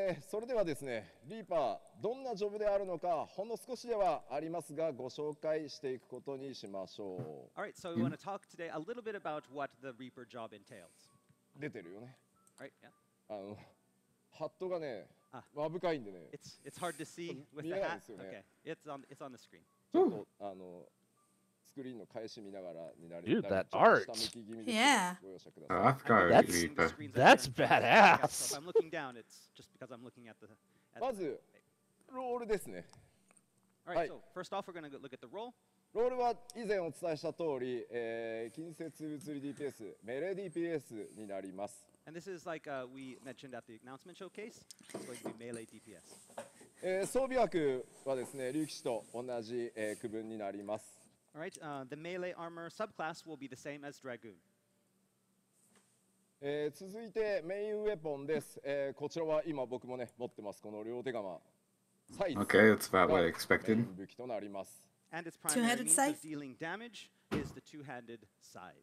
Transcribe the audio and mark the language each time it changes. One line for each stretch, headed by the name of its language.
Japanese: それではですね、リーパー、どんなジョブであるのか、ほんの少しではありますが、ご紹介していくことにしましょう。
English: All right, so we want to talk today a little bit about what the Reaper job entails.
Japanese: 出てるよね。
English: Right, yeah.
Japanese: あの、ハットがね、まぶかいんでね。
English: It's hard to see with the hat.
Japanese: 見えないですよね。
English: Okay. It's on the screen.
Japanese: ちょっとあのスクリーンの返し見ながらになれる。
English: Dude, that art. Yeah. That's badass. I'm looking down. It's just because I'm looking at the.
Japanese: まずロールですね。
English: Alright, so first off, we're gonna look at the roll.
Japanese: ロールは以前お伝えした通り、近接物理 DPS、メレ DPS になります。
English: And this is like we mentioned at the announcement showcase, it's going to be melee DPS.
Japanese: 装備枠はですね、竜騎士と同じ区分になります。
English: All right, the melee armor subclass will be the same as Dragoon.
Japanese: 続いてメインウェポンです。こちらは今僕もね、持ってます。この両手鎌。サイズ。
English: Okay, that's about what I expected.
Japanese: 武器となります。
English: And its primary means of dealing damage is the two-handed scythe.